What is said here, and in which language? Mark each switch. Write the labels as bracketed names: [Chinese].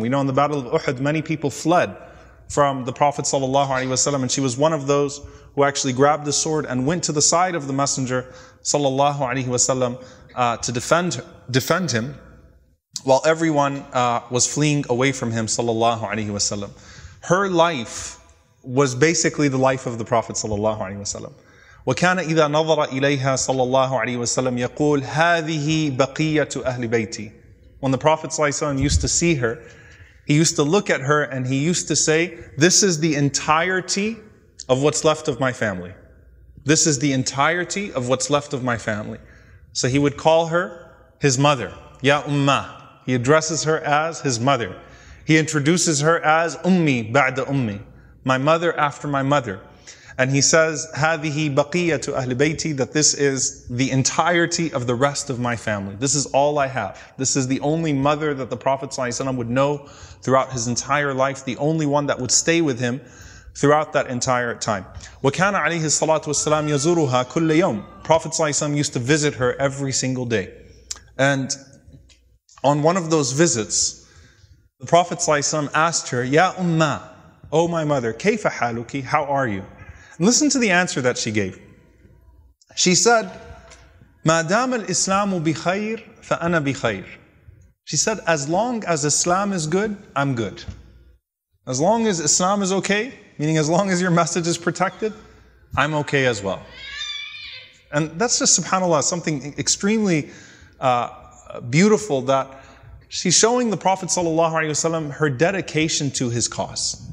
[English] We know in the Battle of Uhud, many people fled from the Prophet sallallahu alaihi wasallam, and she was one of those who actually grabbed the sword and went to the side of the Messenger sallallahu alaihi wasallam to defend him, while everyone was fleeing away from him sallallahu alaihi wasallam. Her life was basically the life of the Prophet sallallahu alaihi wasallam. [Arabic] وَكَانَ إِذَا نَظَرَ إِلَيْهَا sallallahu alaihi wasallam يَقُولُ هَذِهِ بَقِيَّةُ أَهْلِ بَيْتِ. [English] When the Prophet sallallahu alaihi wasallam used to see her, he used to look at her and he used to say, "This is the entirety of what's left of my family. This is the entirety of what's left of my family." So he would call her his mother, Ya Ummah. He addresses her as his mother. He introduces her as Ummi ba'da Ummi, my mother after my mother. And he says, [Arabic] هَذِهِ بَقِيَّةُ أَهْلِ بَيْتِي, [English] that this is the entirety of the rest of my family. This is all I have. This is the only mother that the Prophet ﷺ would know throughout his entire life, the only one that would stay with him throughout that entire time. [Arabic] وَكَانَ عَلَيْهِ الصَّلَاةُ وَالسَّلَامُ يَزُورُهَا كُلَّ يَوْمٍ. [English] Prophet ﷺ used to visit her every single day. And on one of those visits, the Prophet ﷺ asked her, [Arabic] يَا أُمَّا, [English] O my mother, [Arabic] كَيْفَ حَالُكِ, [English] how are you? And listen to the answer that she gave. She said, [Arabic] مَا دَامَ الْإِسْلَامُ بِخَيْرٍ فَأَنَا بِخَيْرٍ. [English] She said, as long as Islam is good, I'm good. As long as Islam is okay, meaning as long as your message is protected, I'm okay as well. And that's just, subhanAllah, something extremely beautiful, that she's showing the Prophet sallallahu alaihi wasallam her dedication to his cause.